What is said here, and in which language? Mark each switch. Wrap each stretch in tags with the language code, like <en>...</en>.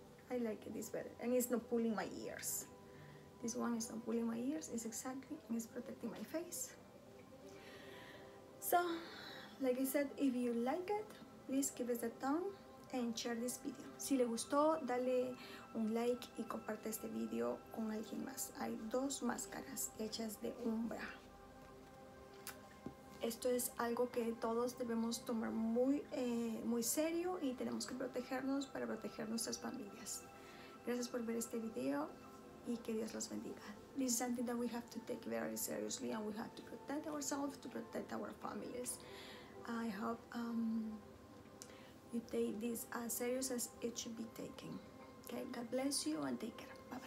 <en>I like this better, and it's not pulling my ears. This one is not pulling my ears. It's exactly, and it's protecting my face. So, like I said, if you like it, please give us a thumb and share this video.</en> <es>Si le gustó, dale un like y comparte este video con alguien más. Hay dos máscaras hechas de Umbra. Esto es algo que todos debemos tomar muy, muy serio y tenemos que protegernos para proteger nuestras familias. Gracias por ver este video y que Dios los bendiga.</es> <en>This is something that we have to take very seriously and we have to protect ourselves to protect our families. I hope you take this as serious as it should be taken. Okay, God bless you and take care.</en>